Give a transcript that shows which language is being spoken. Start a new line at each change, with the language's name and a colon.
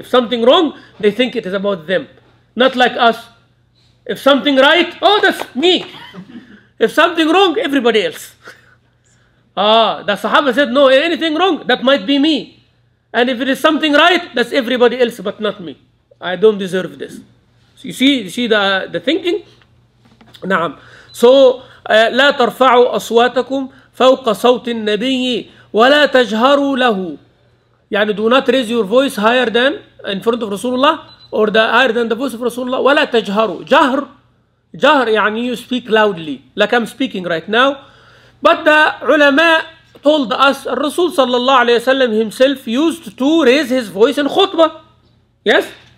English: If something wrong, they think it is about them. Not like us. If something right, oh, that's me. If something wrong, everybody else. The Sahaba said, no, anything wrong, that might be me. And if it is something right, that's everybody else, but not me. I don't deserve this. So you see the thinking? نعم.
Arabic: So, لا ترفعوا أصواتكم فوق صوت النبي ولا تجهروا له.
English: يعني do not raise your voice higher than in front of Rasulullah or the higher than the voice of Rasulullah.
Arabic: ولا تجهروا. جهر.
English: جهر يعني you speak loudly like I'm speaking right now. But the ulama told us
Arabic: الرسول صلى الله عليه وسلم
English: himself used to raise his voice in khutbah. Yes?